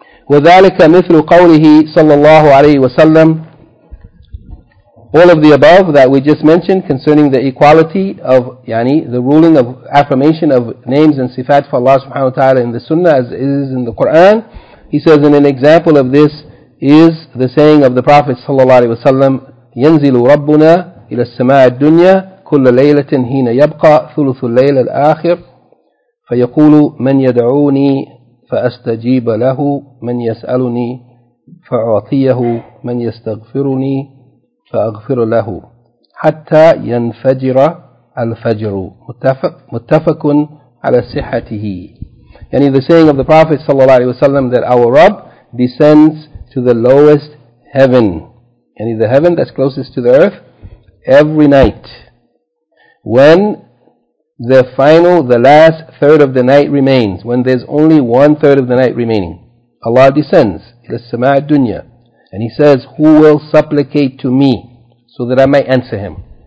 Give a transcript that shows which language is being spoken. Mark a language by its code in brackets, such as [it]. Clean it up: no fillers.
[ar] وَذَلِكَ مِثْلُ قَوْلِهِ صَلَّى اللَّهُ عَلَيْهِ وَسَلَّمْ. [en] All of the above that we just mentioned concerning the equality of يعني the ruling of affirmation of names and sifat for Allah subhanahu wa ta'ala in the Sunnah as it is in the Quran. He says, and an example of this is the saying of the Prophet [ar] صلى الله عليه وسلم, يَنْزِلُ رَبُّنَا إِلَى السَّمَاءِ الدُّنْيَا كل ليلة هنا يبقى ثلث الليل الآخر فيقول من يدعوني فأستجيب له من يسألني فأعطيه من يستغفرني فأغفر له حتى ينفجر الفجر. متفق على صحته. [en] يعني the saying of the Prophet صلى الله عليه وسلم that our Rabb descends to the lowest heaven, يعني the heaven that's closest to the earth, every night when the final, the last third of the night remains, when there's only one third of the night remaining, Allah descends [ar] إِلَى السَّمَاءِ الدُّنْيَا [en] and He says, who will supplicate to me so that I might answer him?